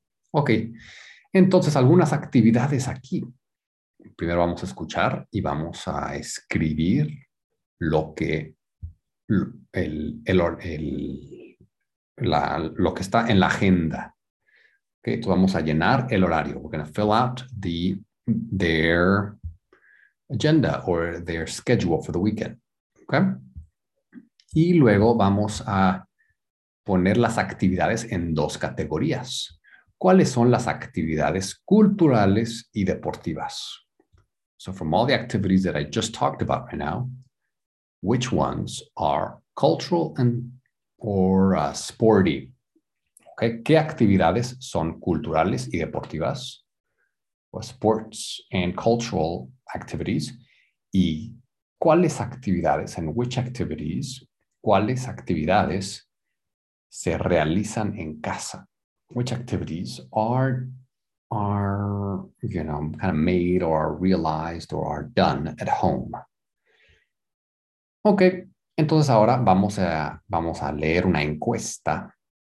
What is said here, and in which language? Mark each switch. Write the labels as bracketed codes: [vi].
[es] Okay, entonces algunas actividades aquí. Primero vamos a escuchar y vamos a escribir lo que lo que está en la agenda. Okay, entonces vamos a llenar el horario. [en] We're going to fill out their agenda or their schedule for the weekend. Okay. [es] Y luego vamos a poner las actividades en dos categorías. ¿Cuáles son las actividades culturales y deportivas? [en] So from all the activities that I just talked about right now, which ones are cultural and or sporty? Okay. [es] ¿Qué actividades son culturales y deportivas? [en] Or sports and cultural activities, [es] y cuáles actividades, [en] and which activities, [es] cuáles actividades se realizan en casa, [en] which activities are, you know, kind of made or are realized or are done at home. [es] Okay, entonces ahora vamos a leer una encuesta.